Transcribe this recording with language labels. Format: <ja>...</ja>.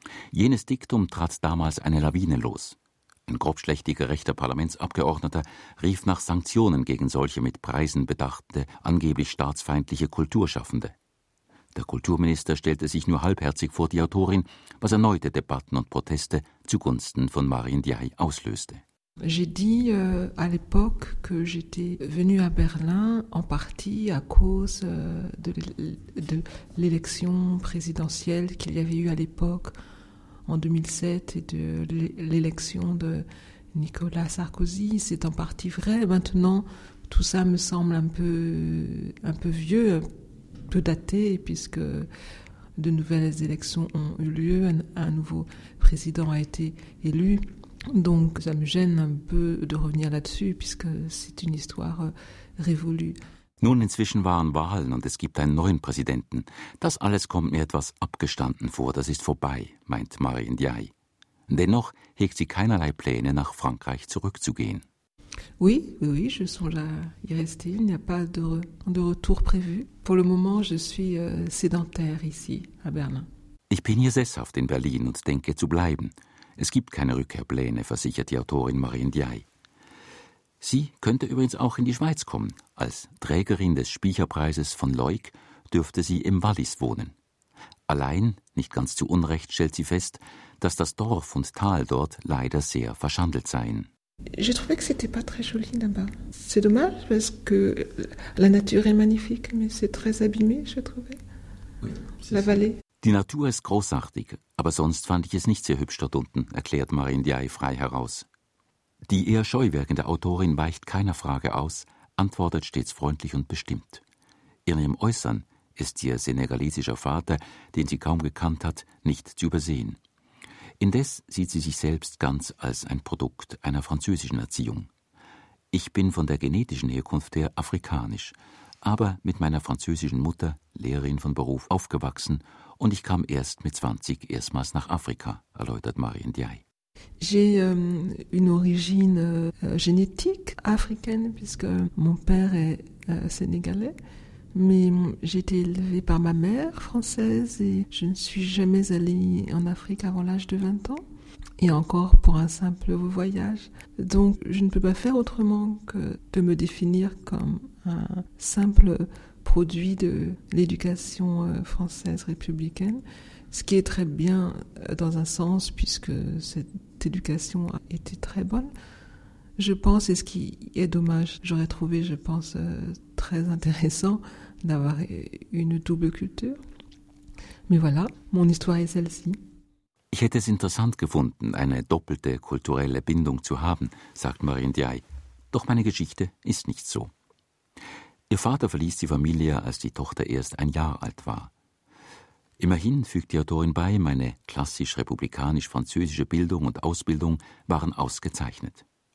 <de>Jenes Diktum trat damals eine Lawine los. Ein grobschlächtiger rechter Parlamentsabgeordneter rief nach Sanktionen gegen solche mit Preisen bedachte, angeblich staatsfeindliche Kulturschaffende. Der Kulturminister stellte sich nur halbherzig vor die Autorin, was erneute Debatten und Proteste zugunsten von Marie Ndiaye auslöste.</de> <fr>J'ai dit à l'époque que j'étais venue à Berlin en partie à cause de l'élection présidentielle qu'il y avait eu à l'époque en 2007 et de l'élection de Nicolas Sarkozy. C'est en partie vrai. Maintenant, tout ça me semble un peu vieux, un peu daté, puisque de nouvelles élections ont eu lieu, un nouveau président a été élu. Donc ça me gêne un peu de revenir là-dessus, puisque c'est une histoire révolue.</fr> <de>Nun, inzwischen waren Wahlen und es gibt einen neuen Präsidenten. Das alles kommt mir etwas abgestanden vor, das ist vorbei, meint Marie Ndiaye. Dennoch hegt sie keinerlei Pläne, nach Frankreich zurückzugehen.</de> <fr>Oui, je songe à y rester. Il n'y a pas de retour prévu. Pour le moment, je suis sédentaire ici, à Berlin. Ich bin hier sesshaft in Berlin und denke zu bleiben. Es gibt keine Rückkehrpläne, versichert die Autorin Marie Ndiaye.</fr> <de>Sie könnte übrigens auch in die Schweiz kommen. Als Trägerin des Spiecherpreises von Leuk dürfte sie im Wallis wohnen. Allein, nicht ganz zu Unrecht, stellt sie fest, dass das Dorf und Tal dort leider sehr verschandelt seien.</de> <fr>J'ai trouvé que c'était pas très joli là-bas. C'est dommage, parce que la nature est magnifique, mais c'est très abîmé, j'ai trouvé. Oui, la vallée.</fr> <de>Die Natur ist großartig, aber sonst fand ich es nicht sehr hübsch dort unten, erklärt Marie Ndiaye frei heraus. Die eher scheu wirkende Autorin weicht keiner Frage aus, antwortet stets freundlich und bestimmt. In ihrem Äußern ist ihr senegalesischer Vater, den sie kaum gekannt hat, nicht zu übersehen. Indes sieht sie sich selbst ganz als ein Produkt einer französischen Erziehung. Ich bin von der genetischen Herkunft her afrikanisch, aber mit meiner französischen Mutter, Lehrerin von Beruf, aufgewachsen und ich kam erst mit 20 erstmals nach Afrika, erläutert Marie Ndiaye.</de> <fr>J'ai une origine génétique africaine puisque mon père est sénégalais, mais j'ai été élevée par ma mère française et je ne suis jamais allée en Afrique avant l'âge de 20 ans et encore pour un simple voyage. Donc je ne peux pas faire autrement que de me définir comme un simple produit de l'éducation française républicaine. Ce qui est très bien dans un sens, puisque cette éducation a été très bonne. Je pense, et ce qui est dommage, j'aurais trouvé, je pense, très intéressant d'avoir une double culture. Mais voilà, mon histoire est celle-ci.</fr> <de>Ich hätte es interessant gefunden, eine doppelte kulturelle Bindung zu haben, sagt Marie Ndiaye. Doch meine Geschichte ist nicht so. Ihr Vater verließ die Familie, als die Tochter erst 1 Jahr alt war. Immerhin, fügt die Autorin bei, meine klassisch-republikanisch-französische Bildung und Ausbildung waren ausgezeichnet.</de>